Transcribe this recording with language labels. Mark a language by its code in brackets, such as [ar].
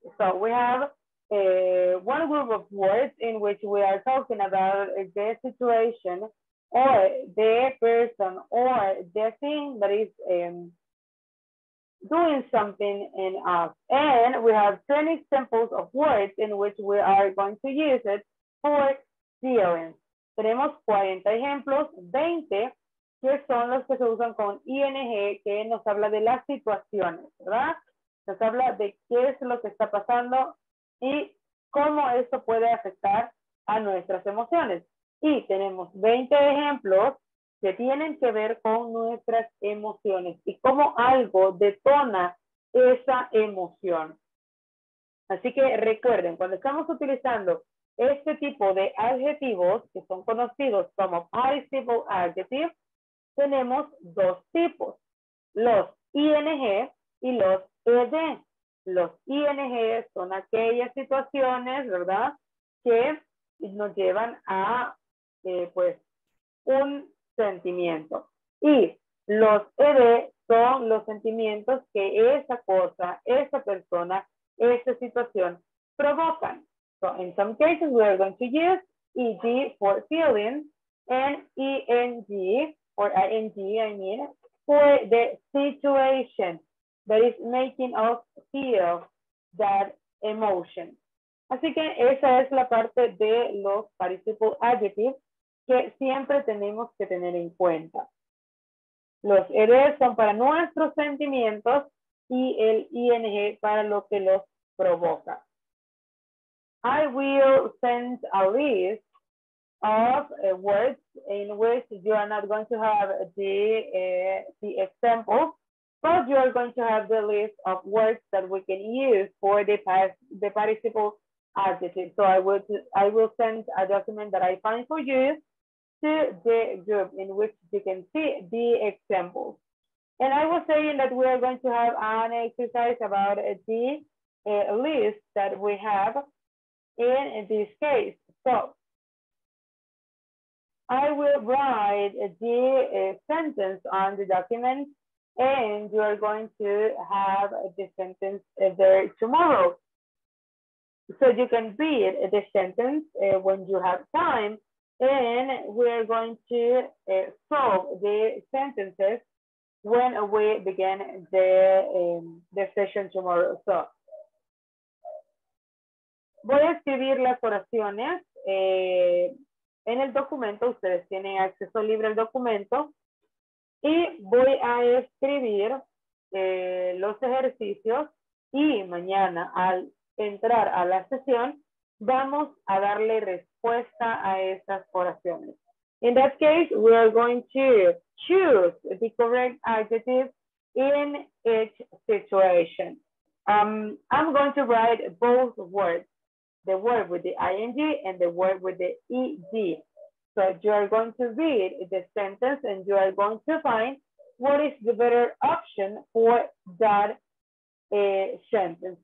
[en] So we have one group of words in which we are talking about the situation or the person or the thing that is doing something in us. And we have 10 examples of words in which we are going to use it for feelings. [es] Tenemos 40 ejemplos, 20, que son los que se usan con ING, que nos habla de las situaciones, ¿verdad? Nos habla de qué es lo que está pasando y cómo esto puede afectar a nuestras emociones. Y tenemos 20 ejemplos que tienen que ver con nuestras emociones y cómo algo detona esa emoción. Así que recuerden, cuando estamos utilizando este tipo de adjetivos, que son conocidos como participle adjectives, tenemos dos tipos, los ING y los ED. Los ING son aquellas situaciones, ¿verdad?, que nos llevan a, pues, un sentimiento. Y los ED son los sentimientos que esa cosa, esa persona, esa situación provocan. [en] So, in some cases, we are going to use ED for feelings and ING, or ING, I mean, for the situation that is making us feel that emotion. [es] Así que esa es la parte de los participle adjectives que siempre tenemos que tener en cuenta. Los ED son para nuestros sentimientos y el ING para lo que los provoca. [en] I will send a list of words in which you are not going to have the example, but you are going to have the list of words that we can use for the participle adjective. So I will send a document that I find for you to the group in which you can see the examples. And I was saying that we are going to have an exercise about the list that we have in this case. So I will write the sentence on the document and you are going to have the sentence there tomorrow. So you can read the sentence when you have time, and we're going to solve the sentences when we begin the session tomorrow. [es] So voy a escribir las oraciones en el documento. Ustedes tienen acceso libre al documento. Y voy a escribir los ejercicios. Y mañana, al entrar a la sesión, vamos a darle respuesta a esas oraciones. [en] In that case, we are going to choose the correct adjective in each situation. I'm going to write both words, the word with the ing and the word with the ed. So you are going to read the sentence and you are going to find what is the better option for that sentence.